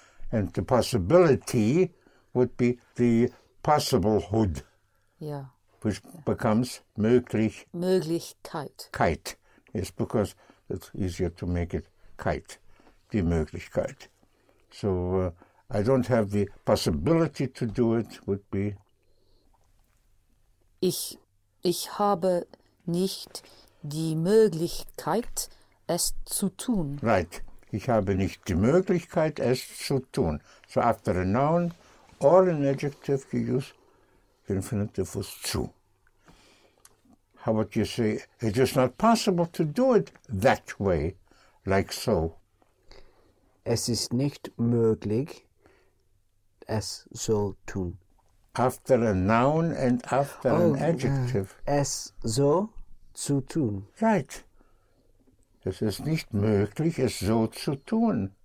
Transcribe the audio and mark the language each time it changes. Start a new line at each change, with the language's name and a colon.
English: and the possibility would be the possible hood. Yeah. Which becomes möglich.
German: Möglichkeit.
English: Kite. Yes, because it's easier to make it kite.
German: Die Möglichkeit.
English: So I don't have the possibility to do it would be.
German: Ich habe nicht die Möglichkeit, es zu tun.
English: Right.
German: Ich habe nicht die Möglichkeit, es zu tun.
English: So after a noun or an adjective, you use the infinitive was zu. How would you say, it is not possible to do it that way, like so?
German: Es ist nicht möglich, es so tun.
English: After a noun and after an adjective.
German: Es so zu tun.
English: Right.
German: Es ist nicht möglich, es so zu tun.